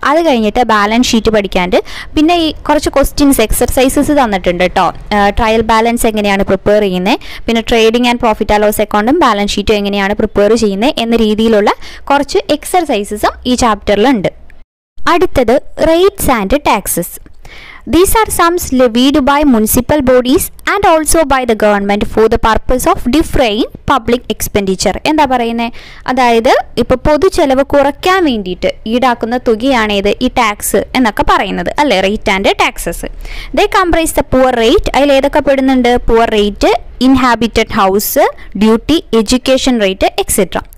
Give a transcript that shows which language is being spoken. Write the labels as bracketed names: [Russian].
[Malayalam] അത് കഴിഞ്ഞിട്ട് balance sheet പഠിക്കാനുണ്ട്. പിന്നെ ഈ കുറച്ച് ക്വസ്റ്റ്യൻസ് എക്സർസൈസസ് തന്നിട്ടുണ്ട് കേട്ടോ, ട്രയൽ ബാലൻസ് എങ്ങനെയാണ് പ്രിപ്പയർ ചെയ്യുന്നത്, പിന്നെ trading and profit and loss അക്കൗണ്ടും ബാലൻസ് ഷീറ്റും എങ്ങനെയാണ് പ്രിപ്പയർ ചെയ്യുന്നത് എന്ന രീതിയിലുള്ള കുറച്ച് എക്സർസൈസസും ഈ ചാപ്റ്ററിലുണ്ട്. [English] അടുത്തത് rates and taxes. These are sums levied by municipal bodies and also by the government for the purpose of defraying public expenditure. [Malayalam] എന്താ പറയുന്നത്? അതായത് ഇപ്പോൾ പൊതുചെലവ് കുറയ്ക്കാൻ വേണ്ടിയിട്ട് ഈടാക്കുന്ന തുകയാണേത് ഈ ടാക്സ് എന്നൊക്കെ പറയുന്നത് അല്ലേ, rate and taxes. [English] they comprise the poor rate, [Malayalam] അതിൽ ഏതൊക്കെ പെടുന്നുണ്ട്, poor rate, inhabited house, duty, education rate etcetera.